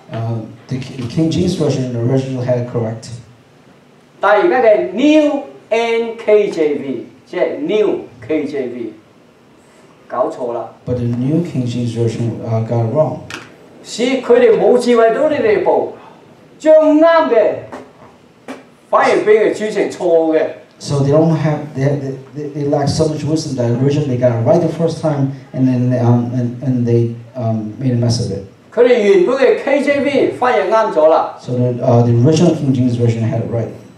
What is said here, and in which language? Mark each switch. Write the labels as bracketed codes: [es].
[en] The King James version in the original had it correct. [yue] 但而家嘅 New NKJV 即係 New KJV 搞錯啦。 [en] But the New King James version got it wrong. [yue] 使佢哋冇智慧到呢地步。將啱嘅反而俾佢轉成錯嘅。 [en] So they don't have they lack so much wisdom that originally they got it right the first time and then they made a mess of it. [yue] 佢哋原本嘅 KJV 翻譯啱咗啦。 [en] So the original King James version had it right.